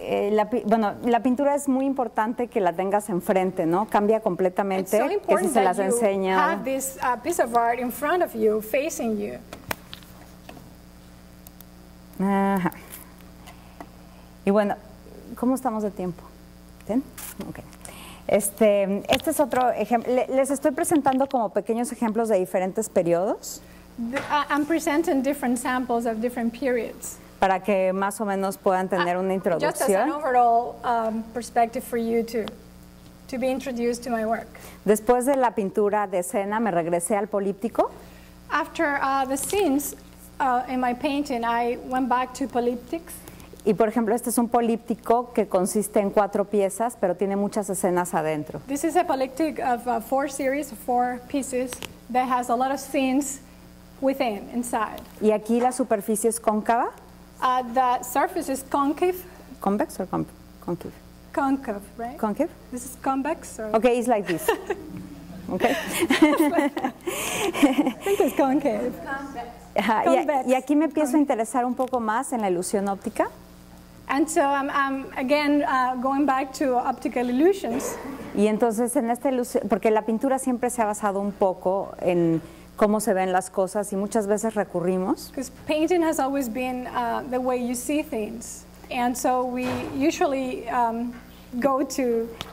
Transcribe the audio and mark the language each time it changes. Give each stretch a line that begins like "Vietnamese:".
Spanish: La pintura es muy importante que la tengas enfrente, ¿no? Cambia completamente.
English: It's so important
Spanish: que si se las enseña.
English: You have this piece of art in front of you, facing you.
Spanish: Y bueno, ¿cómo estamos de tiempo? Okay. Este es otro ejemplo. Les estoy presentando como pequeños ejemplos de diferentes periodos.
English: I'm presenting different samples of different periods.
Spanish: Para que más o menos puedan tener una introducción.
English: Just as an overall perspective for you to be introduced to my work.
Spanish: Después de la pintura de escena, me regresé al políptico.
English: After the scenes, in my painting, I went back to polyptychs.
Spanish: Y por ejemplo, este es un políptico que consiste en cuatro piezas, pero tiene muchas escenas adentro.
English: This is a polyptych of a four series, four pieces that has a lot of scenes within, inside.
Spanish: Y aquí la superficie es cóncava.
English: The surface is concave. Convex or concave? Concave, right? Concave. This is convex. Or? Okay, it's like this. Okay. I think it's concave. It's convex.
Spanish: Y aquí me empiezo a interesar un poco más en la ilusión óptica.
English: And so I'm again going back to optical illusions.
Spanish: Y entonces en esta ilusión, porque la pintura siempre se ha basado un poco en cómo se ven las cosas y muchas veces recurrimos.
English: Because painting has always been the way you see things, and so we usually go to